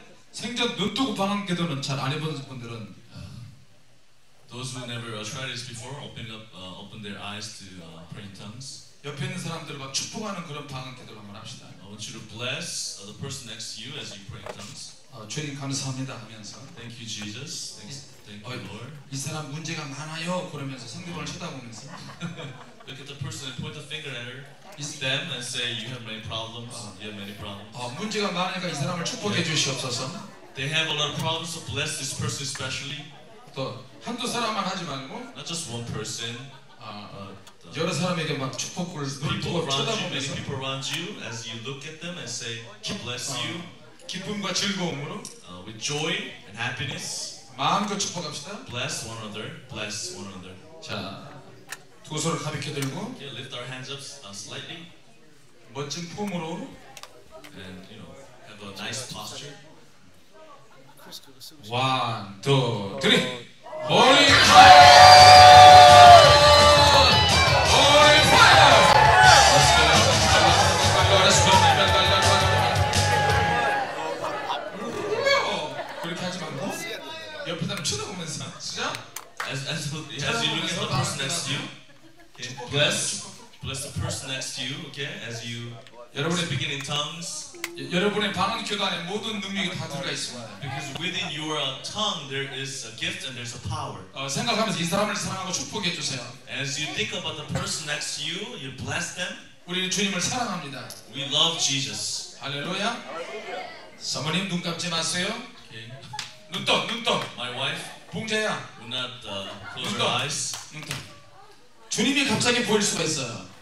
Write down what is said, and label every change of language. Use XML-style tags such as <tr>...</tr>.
<ko>생전 눈 뜨고 방언 기도는 잘 안 해본 분들은</ko> <en>those who never tried this before open their eyes to pray in tongues.</en> <ko>옆에 있는 사람들을 막 축복하는 그런 방언 기도를 한번 합시다.</ko> <en>I want you to bless the person next to you as you pray in tongues.</en> <ko>주님 감사합니다 하면서</ko> <en>thank you Jesus. Thank you Lord.</en> <ko>이 사람 문제가 많아요 그러면서 상대방을 쳐다보면서</ko> <en>look at the person and point the finger at her. It's them and say you have many problems. You have many problems.</en> <ko>문제가 많으니까 이 사람을 축복해 주시옵소서.</ko> <en>They have a lot of problems, so bless this person especially.</en> <ko>또 한두 사람만 하지 말고.</ko> <en>Not just one person.</en> <ko>여러 사람에게 막 축복을 눈뜨고 쳐다보면서.</ko> <en>People around you, as you look at them and say, God bless you.</en> <ko>기쁨과 즐거움으로.</ko> <en>With joy and happiness.</en> <ko>마음껏 축복합시다.</ko> <en>Bless one another. Bless one another.</en> <ko>자. 두 손을 가볍게 들고</ko> <en>yeah, lift our hands up slightly.</en> <ko>멋진 품으로</ko> <en>and you know have a nice posture. 1, 2, 3 Holy fire! Holy fire! Let's go! Let's go! Let's go! Let's go! No!</en> <ko>그렇게 하지 말고 옆에 사람 쳐다보면서 진짜?</ko> <en>As you look at the person next to you, okay, bless the person next to you, okay? As you</en> <ko>여러분의</ko> <en>speaking in tongues.</en> <ko>여러분의 방언 기도 안에 모든 능력이 다 들어가 있습니다.</ko> <en>Because within your tongue there is a gift and there's a power.</en> <ko>생각하면서 이 사람을 사랑하고 축복해 주세요.</ko> <en>As you think about the person next to you, you bless them.</en> <ko>우리는 주님을 사랑합니다.</ko> <en>We love Jesus.</en> <ko>할렐루야. 사모님 눈 감지 마세요. 눈 떠.</ko> <en>My wife.</en> <ko>봉자야.</ko> <en>Do not close your eyes.</en> <ko>눈 떠. 주님이 갑자기 보일 수가 있어요.</ko>